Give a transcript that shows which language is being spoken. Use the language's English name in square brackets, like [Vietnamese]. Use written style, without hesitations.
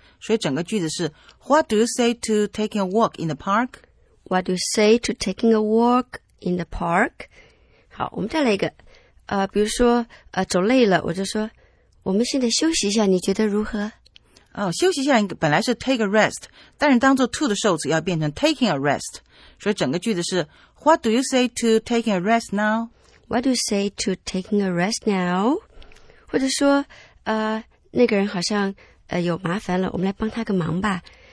[Chinese] 所以整个句子是 [English] What do you say to taking a walk in the park? What do you say to taking a walk in the park? [Chinese] 好，我们再来一个，比如说，走累了，我就说，我们现在休息一下，你觉得如何？哦，休息一下本来是 [English] take a rest， [Chinese] 但是当作 to 的受词要变成 [English] taking a rest。 [Chinese] 所以整个句子是 [English] What do you say to taking a rest now? What do you say to taking a rest now? [Chinese] 或者说，那个人好像有麻烦了，我们来帮他个忙吧。